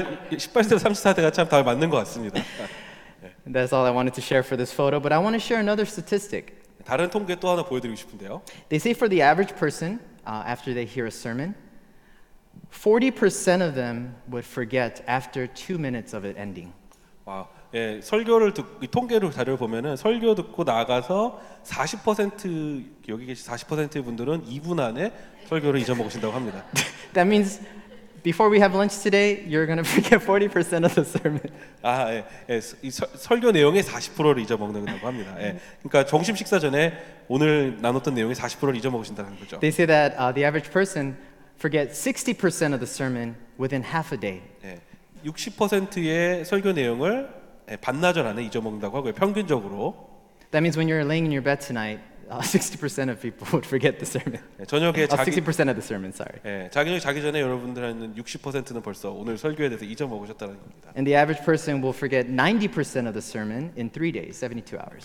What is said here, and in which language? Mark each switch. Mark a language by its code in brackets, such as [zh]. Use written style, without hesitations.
[ko] 18세 34세가 참 다 맞는 것 같습니다. [en] That's all I wanted to share for this photo, but I want to share another statistic. [ko] 다른 통계 또 하나 보여드리고 싶은데요. [en] They say for the average person, after they hear a sermon, 40% of them would forget after 2 minutes of it ending. [ko] 와, 예, 설교를 이 통계로 자료를 보면은 설교 듣고 나가서 40% 여기 계신 40%의 분들은 2분 안에 설교를 잊어먹으신다고 합니다. [en] That means before we have lunch today, you're going to forget 40% of the sermon. [ko] 아, 예, 예, 설교 내용의 40%를 잊어먹는다고 합니다. 예, 그러니까 점심 식사 전에 오늘 나눴던 내용의 40%를 잊어먹으신다는 거죠. [en] They say that the average person forgets 60% of the sermon within half a day. [ko] 예, 60%의 설교 내용을 예, 반나절 안에 잊어먹는다고 하고요, 평균적으로. [en] That means when you're laying in your bed tonight, 60% of people would forget the sermon. [ko] 저녁에 [en] 60% of the sermon, sorry. [ko] 예, 저녁에 자기 전에 여러분들한테는 60%는 벌써 오늘 설교에 대해서 잊어먹으셨다는 겁니다. [en] And the average person will forget 90% of the sermon in 3 days, 72 hours.